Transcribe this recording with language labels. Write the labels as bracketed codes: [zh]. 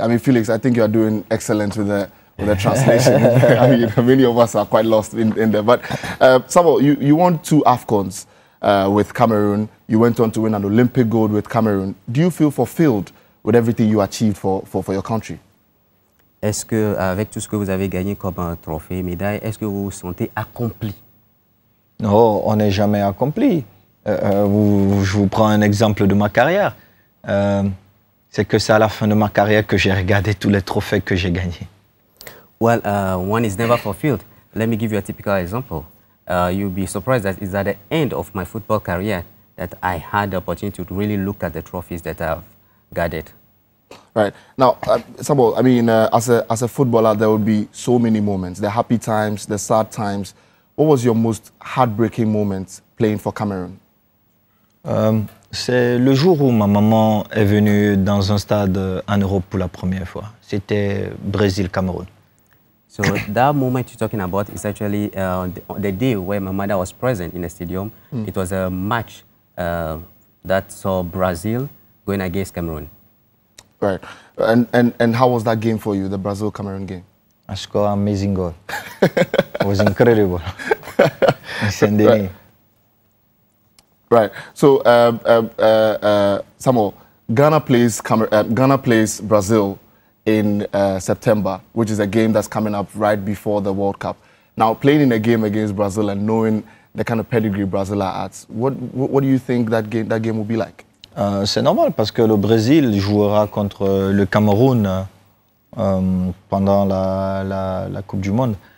[en] I mean, Felix, I think you are doing excellent with the translation. I mean, many of us are quite lost in there. But Samuel, you won 2 AFCONs with Cameroon. You went on to win an Olympic gold with Cameroon. Do you feel fulfilled with everything you achieved for your country? [fr] Est-ce que avec tout ce que vous avez gagné comme trophée, médaille, est-ce que vous vous sentez accompli? Non, on n'est jamais accompli. Je vous prends un exemple de ma carrière. C'est que c'est à la fin de ma carrière que j'ai regardé tous les trophées que j'ai gagnés. [en] Well, one is never fulfilled. Let me give you a typical example. You'll be surprised that it's at the end of my football career that I had the opportunity to really look at the trophies that I've gathered. Right. Now, Samuel, I mean, as a footballer, there would be so many moments, the happy times, the sad times. What was your most heartbreaking moment playing for Cameroon? [fr] C'est le jour où ma maman est venue dans un stade en Europe pour la première fois. C'était Brésil-Cameroun. [en] So that moment you're talking about is actually the day where my mother was present in the stadium. Mm. It was a match that saw Brazil going against Cameroon. Right. And how was that game for you, the Brazil-Cameroon game? I scored an amazing goal. It was incredible. Saint-Denis. Right. So, Samuel, Ghana plays Brazil in September, which is a game that's coming up right before the World Cup. Now, playing in a game against Brazil and knowing the kind of pedigree Brazil are at. What do you think that game will be like? [fr] C'est normal parce que le Brésil jouera contre le Cameroun pendant la Coupe du Monde.